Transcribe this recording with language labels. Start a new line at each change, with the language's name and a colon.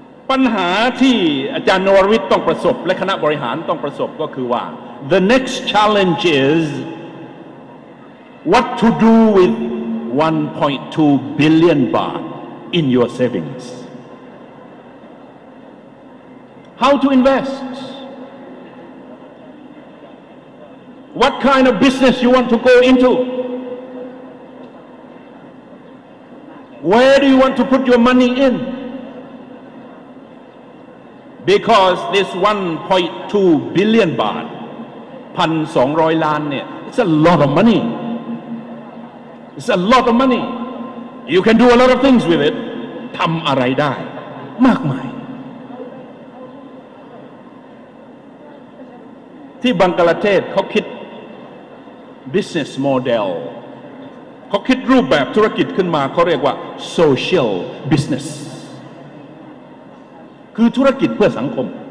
Thai: ปัญหาที่อาจารย์วรวิทย์ต้องประสบและคณะบริหารต้องประสบก็คือว่า
English: the next challenge is what to do with 1.2 billion baht in your savingsHow to invest? What kind of business you want to go into? Where do you want to put your money in? Because this 1.2 billion baht,
Thai: 1,200 ล้านเนี่ย,
English: it's a lot of money. It's a lot of money. You can do a lot of things with it.
Thai: ทำอะไรได้มากมายที่บังกลาเทศเขาคิด business model เขาคิดรูปแบบธุรกิจขึ้นมาเขาเรียกว่า social business คือธุรกิจเพื่อสังคม